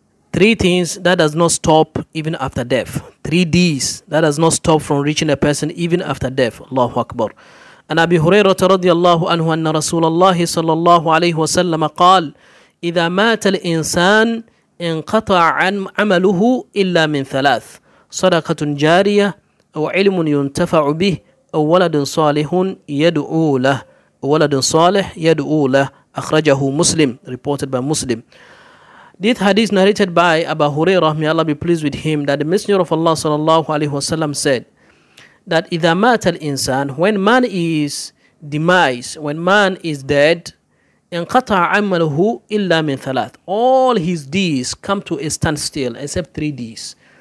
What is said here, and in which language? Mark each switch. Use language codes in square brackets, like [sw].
[en] Three things that does not stop even after death. Three D's that does not stop from reaching a person even after death. [ar] Allahu Akbar. عن أبي هريرة رضي الله عنه أن رسول الله صلى الله عليه وسلم قال إذا مات الإنسان انقطع عن عمله إلا من ثلاث: صدقة جارية أو علم ينتفع به أو ولد صالح يدعو له أخرجه مسلم, [en] reported by Muslim. This hadith narrated by Abu Hurairah, may Allah be pleased with him, that the Messenger of Allah [ar] sallallahu alaihi wasallam [en] said that [ar] idha mat al-insan, [en] when man is demise, when man is dead, [ar] inqata 'amaluhu illa min thalath, [en] all his deeds come to a standstill except three deeds.